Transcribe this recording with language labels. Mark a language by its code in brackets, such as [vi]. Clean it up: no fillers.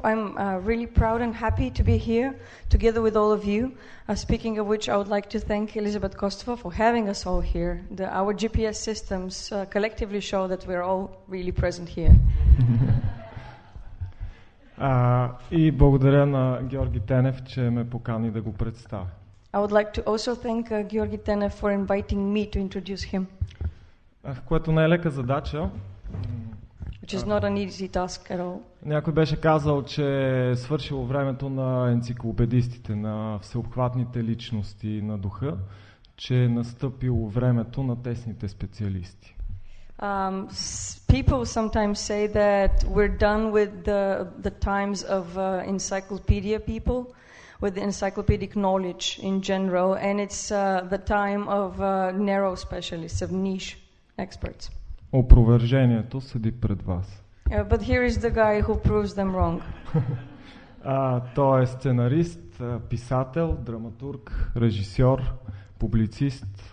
[en] I'm really proud and happy to be here together with all of you. Speaking of which, I would like to thank Elizabeth Kostova for having us all here. Our GPS systems collectively show that we're all really present here. [bg] И благодаря на Георги Тенев, че ме покани да го представя. [en] I would like to also thank Georgi Tenev for inviting me to introduce him. [bg] Което не е лека задача. [en] Which is not an easy task at all. [bg] Някой беше казал, че свършило времето на енциклопедистите, на всеобхватните личности на духа, че настъпило времето на тесните специалисти. [en] People sometimes say that we're done with the times of encyclopedia people, with the encyclopedic knowledge in general, and it's the time of narrow specialists, of niche experts. [bg] Опровержението седи пред вас. [en] But here is the guy who proves them wrong. [bg] Той е сценарист, писател, драматург, режисьор, публицист.